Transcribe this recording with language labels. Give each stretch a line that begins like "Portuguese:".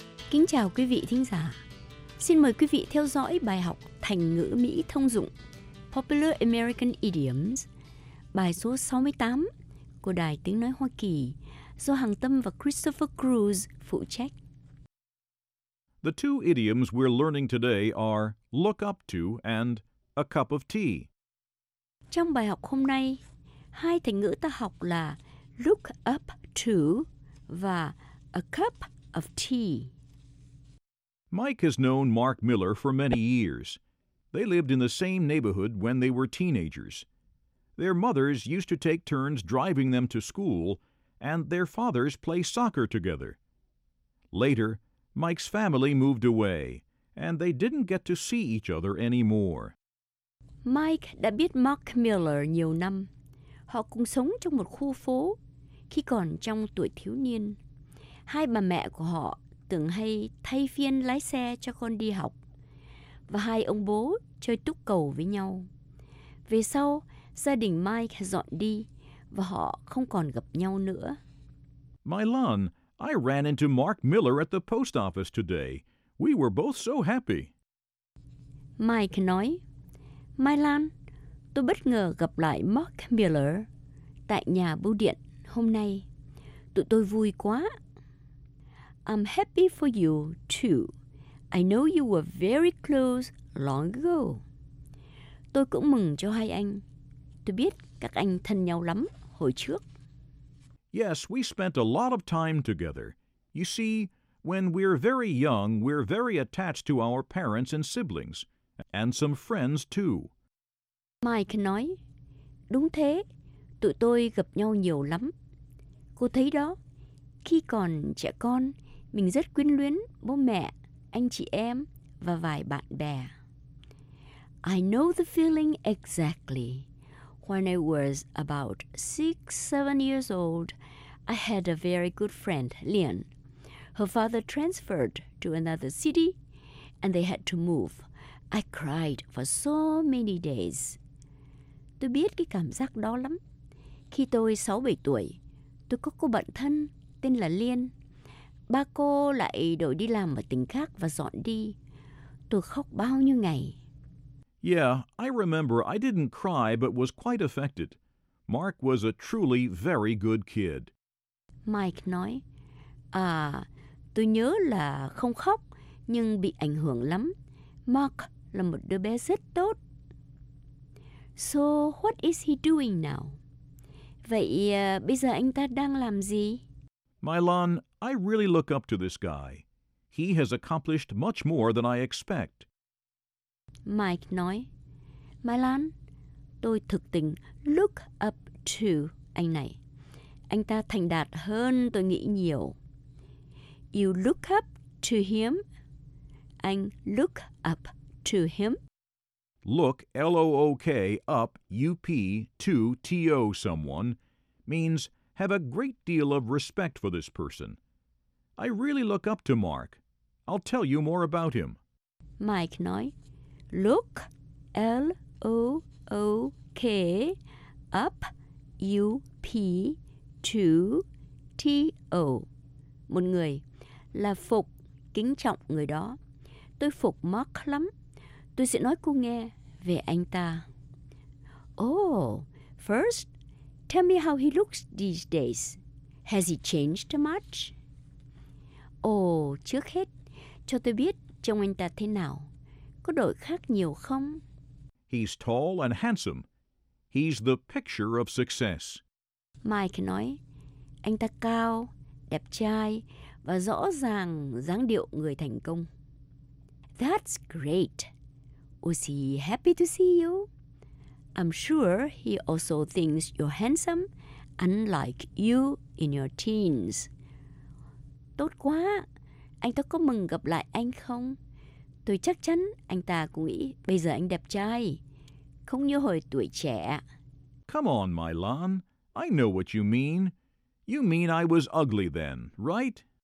Vietnamese: Kính chào quý vị thính giả. Xin mời quý vị theo dõi bài học thành ngữ Mỹ thông dụng Popular American Idioms, bài số 68 của Đài Tiếng Nói Hoa Kỳ do Hằng Tâm và Christopher Cruz phụ trách.
English: The two idioms we're learning today are look up to and a cup of tea.
Vietnamese: Trong bài học hôm nay, hai thành ngữ ta học là look up to và a cup of tea.
English: Mike has known Mark Miller for many years. They lived in the same neighborhood when they were teenagers. Their mothers used to take turns driving them to school, and their fathers play soccer together. Later, Mike's family moved away, and they didn't get to see each other anymore.
Vietnamese: Mike đã biết Mark Miller nhiều năm. Họ cùng sống trong một khu phố khi còn trong tuổi thiếu niên. Hai bà mẹ của họ từng hay thay phiên lái xe cho con đi học, và hai ông bố chơi túc cầu với nhau. Về sau, gia đình Mike dọn đi và họ không còn gặp nhau nữa.
English: Milan, I ran into Mark Miller at the post office today. We were both so happy.
Vietnamese: Mike nói, Milan, tôi bất ngờ gặp lại Mark Miller tại nhà bưu điện hôm nay. Tụi tôi vui quá.
English: I'm happy for you too. I know you were very close long ago.
Vietnamese: Tôi cũng mừng cho hai anh. Tôi biết các anh thân nhau lắm hồi trước.
English: Yes, we spent a lot of time together. You see, when we're very young, we're very attached to our parents and siblings, and some friends too.
Vietnamese: Mike nói, đúng thế, tụi tôi gặp nhau nhiều lắm. Cô thấy đó, khi còn trẻ con, mình rất quyến luyến bố mẹ, anh chị em và vài bạn bè.
English: I know the feeling exactly. When I was about 6-7 years old, I had a very good friend, Lian. Her father transferred to another city and they had to move. I cried for so many days.
Vietnamese: Tôi biết cái cảm giác đó lắm. Khi tôi 6-7 tuổi, tôi có cô bạn thân tên là Lian. Ba cô lại đổi đi làm ở tỉnh khác và dọn đi. Tôi khóc bao nhiêu ngày.
English: Yeah, I remember I didn't cry but was quite affected. Mark was a truly very good kid.
Vietnamese: Mike nói, à, tôi nhớ là không khóc nhưng bị ảnh hưởng lắm. Mark là một đứa bé rất tốt.
English: So, what is he doing now?
Vietnamese: Vậy bây giờ anh ta đang làm gì?
English: Milan, I really look up to this guy. He has accomplished much more than I expect.
Vietnamese: Mike nói, Milan, tôi thực tình look up to anh này. Anh ta thành đạt hơn tôi nghĩ nhiều.
English: You look up to him. Anh look up to him. Look, L-O-O-K, up, U-P, to, T-O someone, means have a great deal of respect for this person. I really look up to Mark. I'll tell you more about him.
Vietnamese: Mike nói, look, L-O-O-K, up, U-P, to, T-O. Một người là phục, kính trọng người đó. Tôi phục Mark lắm. Tôi sẽ nói cô nghe về anh ta.
English: Oh, first, tell me how he looks these days. Has he changed much?
Vietnamese: Oh, trước hết, cho tôi biết trông anh ta thế nào. Có đổi khác nhiều không?
English: He's tall and handsome. He's the picture of success.
Vietnamese: Mike nói, anh ta cao, đẹp trai và rõ ràng dáng điệu người thành công.
English: That's great. Was he happy to see you? I'm sure he also thinks you're handsome, unlike you in your teens.
Vietnamese: Tốt quá! Anh ta có mừng gặp lại anh không? Tôi chắc chắn anh ta cũng nghĩ bây giờ anh đẹp trai, không như hồi tuổi trẻ.
English: Come on, Milan. I know what you mean. You mean I was ugly then, right?